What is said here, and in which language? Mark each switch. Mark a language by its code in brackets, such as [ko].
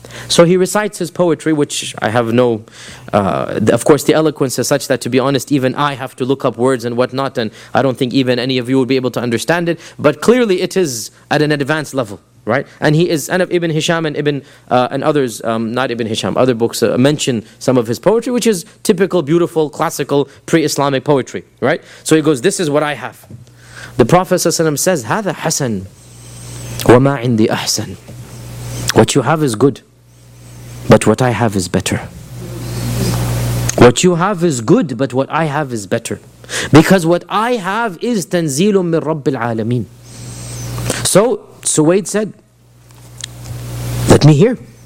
[en] So he recites his poetry, which I have no... of course, the eloquence is such that, to be honest, even I have to look up words and whatnot, and I don't think even any of you would be able to understand it. But clearly it is at an advanced level, right? And he is... And Ibn Hisham and other books mention some of his poetry, which is typical, beautiful, classical, pre-Islamic poetry, right? So he goes, this is what I have. The Prophet ﷺ says, [ar] هذا حسن وما عندي أحسن. [en] What you have is good, but what I have is better. What you have is good, but what I have is better. Because what I have is [ar] تنزيل من رب العالمين. [en] So Suwayd said, let me hear.